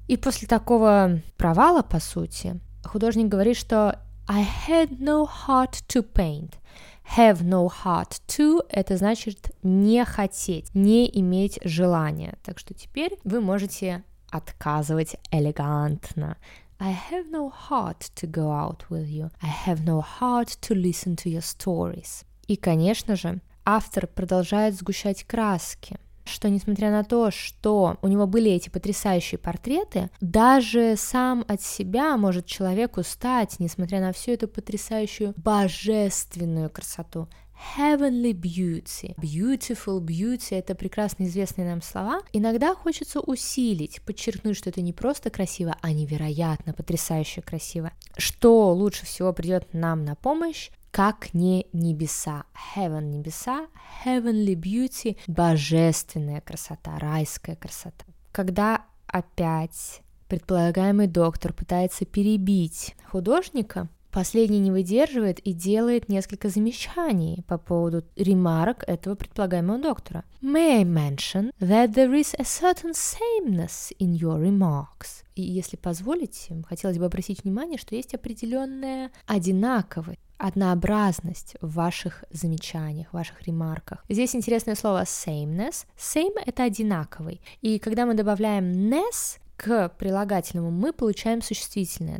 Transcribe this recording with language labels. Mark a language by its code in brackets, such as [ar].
[ru] И после такого провала, по сути, художник говорит, что [en] I had no heart to paint. Have no heart to [ru] – это значит не хотеть, не иметь желания. Так что теперь вы можете отказывать элегантно. [en] I have no heart to go out with you. I have no heart to listen to your stories. [ru] И, конечно же, автор продолжает сгущать краски, что, несмотря на то, что у него были эти потрясающие портреты, даже сам от себя может человек устать, несмотря на всю эту потрясающую божественную красоту. [en] Heavenly beauty. Beautiful beauty [ru] – это прекрасно известные нам слова. Иногда хочется усилить, подчеркнуть, что это не просто красиво, а невероятно потрясающе красиво. Что лучше всего придет нам на помощь? Как не небеса, heaven небеса, [en] heavenly beauty, [ru] божественная красота, райская красота. Когда опять предполагаемый доктор пытается перебить художника, последний не выдерживает и делает несколько замечаний по поводу ремарок этого предполагаемого доктора. [en] May I mention that there is a certain sameness in your remarks? [ru] И если позволите, хотелось бы обратить внимание, что есть определенная одинаковость. Однообразность в ваших замечаниях, в ваших ремарках. Здесь интересное слово sameness. Same – это одинаковый. И когда мы добавляем ness к прилагательному, мы получаем существительное.